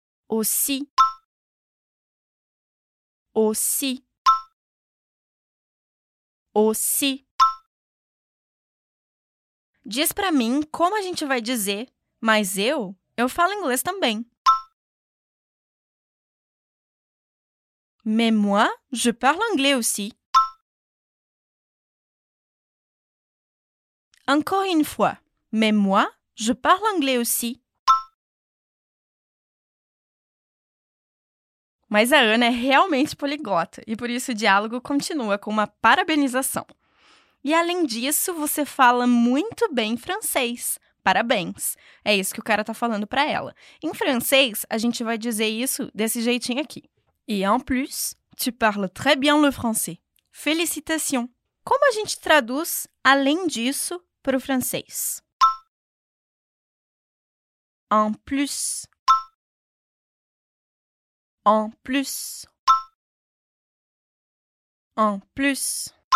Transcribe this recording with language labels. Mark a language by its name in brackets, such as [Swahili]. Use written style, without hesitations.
[French] Aussi. Aussi. Aussi. [Portuguese] Diz pra mim como a gente vai dizer, mas eu falo inglês também. [French] Mais moi, je parle anglais aussi. Encore une fois. Mais moi, je parle anglais aussi. [Portuguese] Mas a Ana é realmente poliglota e por isso o diálogo continua com uma parabenização. E além disso, você fala muito bem francês. Parabéns. É isso que o cara tá falando pra ela. Em francês, a gente vai dizer isso desse jeitinho aqui. [French] Et en plus, tu parles très bien le français. Félicitations. [Portuguese] Como a gente traduz além disso para o francês? [French] En plus. En plus. En plus.